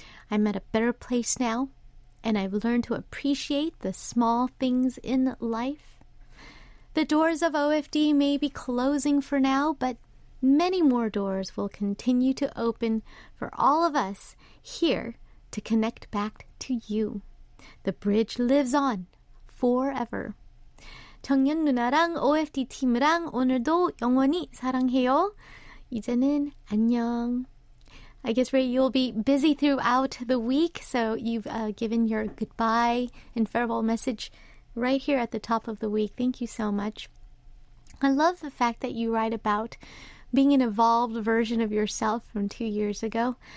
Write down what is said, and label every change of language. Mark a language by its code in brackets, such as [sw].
[en] I'm at a better place now, and I've learned to appreciate the small things in life. The doors of OFD may be closing for now, but many more doors will continue to open for all of us here to connect back to you. The bridge lives on forever. [ko] 정연 누나랑 OFD 팀이랑 오늘도 영원히 사랑해요. 이제는 안녕. [en] I guess, Ray, you'll be busy throughout the week, so you've given your goodbye and farewell message right here at the top of the week. Thank you so much. I love the fact that you write about being an evolved version of yourself from 2 years ago.